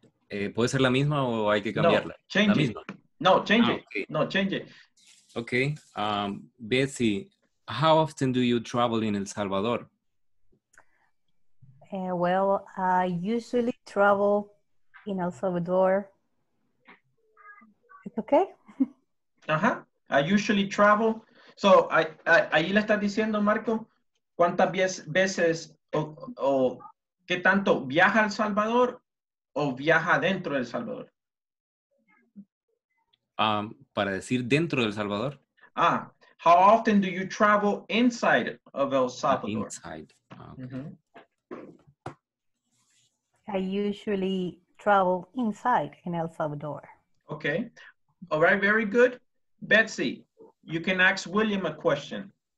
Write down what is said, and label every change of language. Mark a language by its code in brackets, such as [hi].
[es] ¿Puede ser la misma o hay que cambiarla? [en] No, change it. No, change it. No, change it. Okay. Betsy, how often do you travel in El Salvador? Well, I usually travel in El Salvador. It's okay? Uh-huh. I usually travel. [es] So, ahí le estás diciendo, Marco, ¿cuántas veces o qué tanto viaja a El Salvador o viaja dentro de El Salvador? Para decir dentro de El Salvador. [en] Ah, how often do you travel inside of El Salvador? Inside, okay. Mm-hmm. I usually travel inside in El Salvador. Okay. All right, very good. Betsy, you can ask William a question.